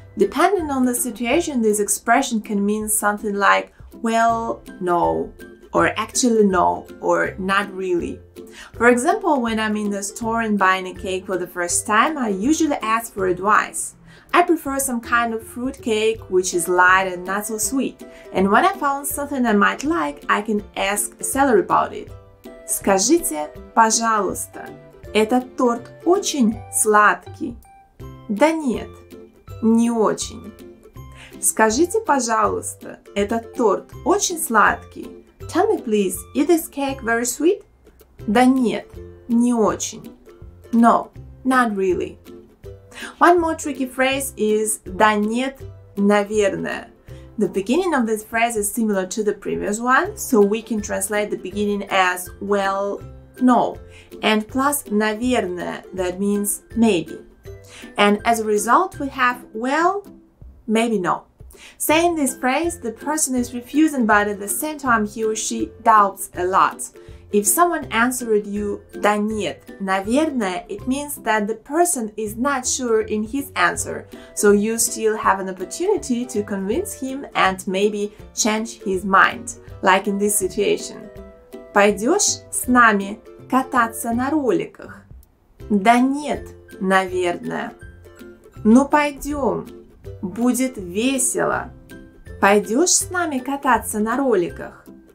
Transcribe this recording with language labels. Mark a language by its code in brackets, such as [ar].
[en] Depending on the situation, this expression can mean something like well, no, or actually no, or not really. For example, when I'm in the store and buying a cake for the first time, I usually ask for advice. I prefer some kind of fruit cake, which is light and not so sweet. And when I found something I might like, I can ask a seller about it. [ru] Скажите, пожалуйста, этот торт очень сладкий? Да нет, не очень. Скажите, пожалуйста, этот торт очень сладкий? [en] Tell me please, is this cake very sweet? [ru] Да нет, не очень. [en] No, not really. One more tricky phrase is [ru] да нет, наверное. [en] The beginning of this phrase is similar to the previous one, so we can translate the beginning as well, no, and plus наверное, that means maybe. And as a result, we have, well, maybe no. Saying this phrase, the person is refusing, but at the same time, he or she doubts a lot. If someone answered you, [ru] да нет, наверное, [en] it means that the person is not sure in his answer, so you still have an opportunity to convince him and maybe change his mind, like in this situation. [ru] Пойдешь с нами кататься на роликах? Да нет, наверное. Ну пойдем, будет весело. Пойдешь с нами кататься на роликах?